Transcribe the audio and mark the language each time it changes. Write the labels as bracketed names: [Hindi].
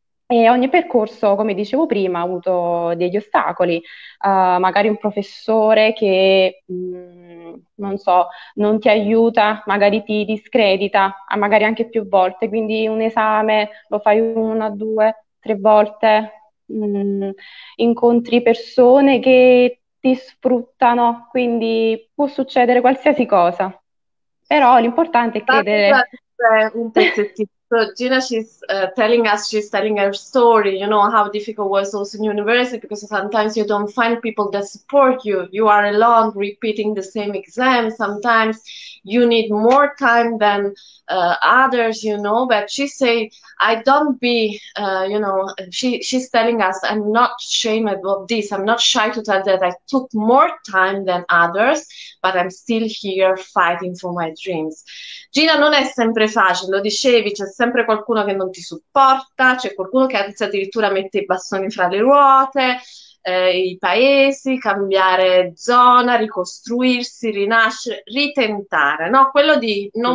[Italian] E ogni percorso, come dicevo prima, ha avuto degli ostacoli, magari un professore che, non so, non ti aiuta, magari ti discredita, magari anche più volte, quindi un esame lo fai una, due, tre volte, incontri persone che ti sfruttano, quindi può succedere qualsiasi cosa. Però l'importante è credere. Un pezzettino. [English] So Gina, she's telling her story, you know, how difficult it was also in university because sometimes you don't find people that support you. You are alone repeating the same exam. Sometimes you need more time than others, you know. But she say, I don't be, you know, she's telling us, I'm not ashamed of this. I'm not shy to tell that I took more time than others, but I'm still here fighting for my dreams. [Italian] Gina, non è sempre facile, lo dicevi, c'è sempre qualcuno che non ti supporta, c'è qualcuno che anzi addirittura mette i bastoni fra le ruote, i paesi, cambiare zona, ricostruirsi, rinascere, ritentare, no? Quello di non